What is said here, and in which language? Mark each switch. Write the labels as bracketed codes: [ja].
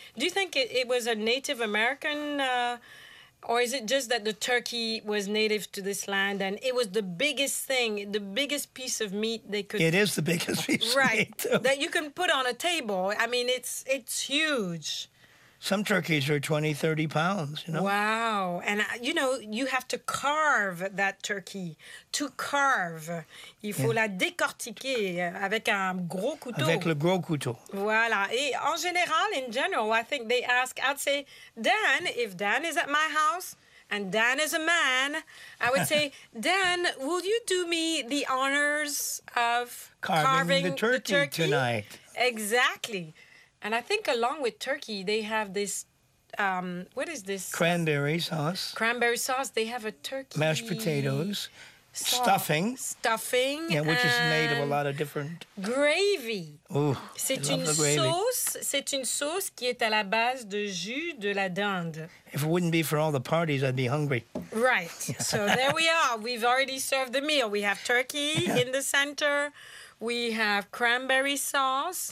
[en] Do you think it was a Native American or is it just that the turkey was native to this land and it was the biggest thing, the biggest piece of meat they could... It is the biggest piece of right, meat. Right, that you can put on a table. I mean, it's huge. Some turkeys are 20, 30 pounds, you know? Wow. And, you know, you have to carve that turkey. To carve. [fr] Il faut la décortiquer avec un gros couteau. Avec le gros couteau. Voilà. Et en général, [en] in general, I think they ask, I'd say, Dan, if Dan is at my house, and Dan is a man, I would say, Dan, will you do me the honors of carving the turkey tonight? Exactly. And I think along with turkey, they have this, what is this? Cranberry sauce. They have a turkey. Mashed potatoes. Stuffing. Stuffing. Yeah, which is made of a lot of different. Gravy. Ooh, [fr] c'est une [en] gravy. [fr] Sauce. C'est une sauce qui est à la base de jus de la dinde. [en] If it wouldn't be for all the parties, I'd be hungry. Right. So there we are. We've already served the meal. We have turkey in the center. We have cranberry sauce.